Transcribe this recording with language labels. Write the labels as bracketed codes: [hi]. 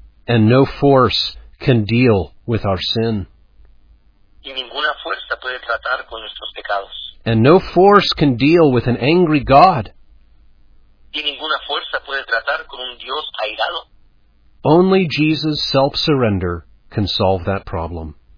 [en] And no force can deal with our sin. [es] Y ninguna fuerza puede tratar con nuestros pecados. [en] And no force can deal with an angry God. [es] Y ninguna fuerza puede tratar con un Dios airado. [en] Only Jesus' self-surrender can solve that problem.